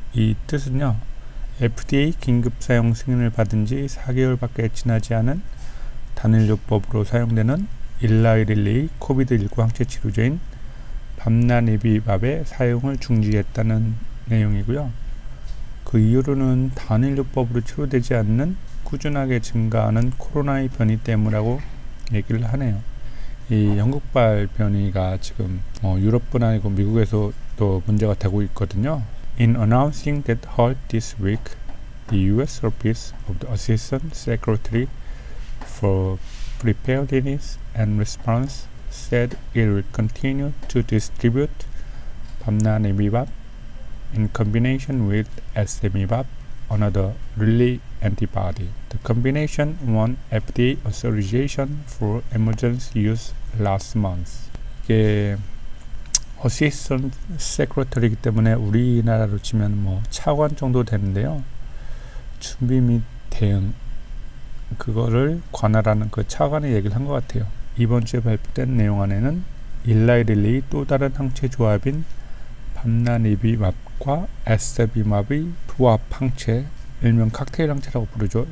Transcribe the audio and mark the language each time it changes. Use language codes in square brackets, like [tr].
[ko] 이 뜻은요, FDA 긴급 사용 승인을 받은 지 4개월밖에 지나지 않은 단일요법으로 사용되는 일라이 릴레이 COVID-19 항체 치료제인 밤나니비밥의 사용을 중지했다는 내용이고요. 그 이유로는 단일요법으로 치료되지 않는 꾸준하게 증가하는 코로나의 변이 때문이라고 얘기를 하네요. 이 영국발 변이가 지금 유럽뿐 아니고 미국에서도 문제가 되고 있거든요. [en] In announcing that halt this week, the U.S. Office of the Assistant Secretary for Preparedness and Response said it will continue to distribute bamlanivimab in combination with acemibab, another Lilly antibody. The combination won FDA authorization for emergency use last month. [ko] 어시스턴트 세크레터리이기 때문에 우리나라로 치면 뭐 차관 정도 되는데요. 준비 및 대응 그거를 관할하는 그 차관의 얘기를 한것 같아요. 이번 주에 발표된 내용 안에는 일라이 릴레이 또 다른 항체 조합인 밤나니비맙과 에스비맙의 부합 항체, 일명 칵테일 항체라고 부르죠.